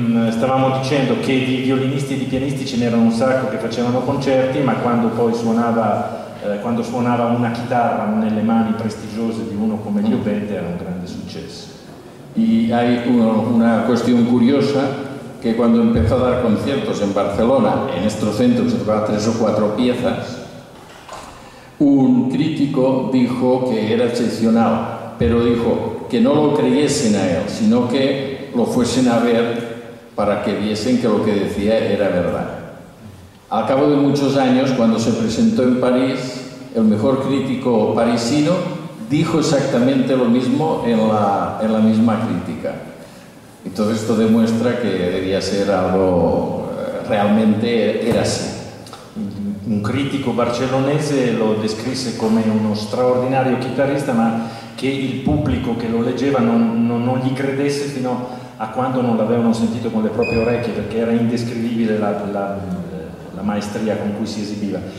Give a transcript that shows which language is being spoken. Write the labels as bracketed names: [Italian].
[Italian] Stavamo dicendo che di violinisti e di pianisti ce n'erano un sacco che facevano concerti, ma quando poi suonava una chitarra nelle mani prestigiose di uno come Llobet era un grande successo. E hai una questione curiosa, [Spanish] que cuando empezó a dar conciertos en Barcelona, en estos centros, se tocaba tres o cuatro piezas, un crítico dijo que era excepcional, pero dijo que no lo creyesen a él, sino que lo fuesen a ver para que viesen que lo que decía era verdad. Al cabo de muchos años, cuando se presentó en París, el mejor crítico parisino dijo exactamente lo mismo en la misma crítica. Y todo esto demuestra que debía ser algo, realmente era así. [Italian] Un crítico barcelonese lo descrisse come uno straordinario chitarrista, ma che il pubblico che lo leggeva non gli credesse fino a quando non l'avevano sentito con le proprie orecchie, perché era indescrivibile la maestria con cui si esibiva.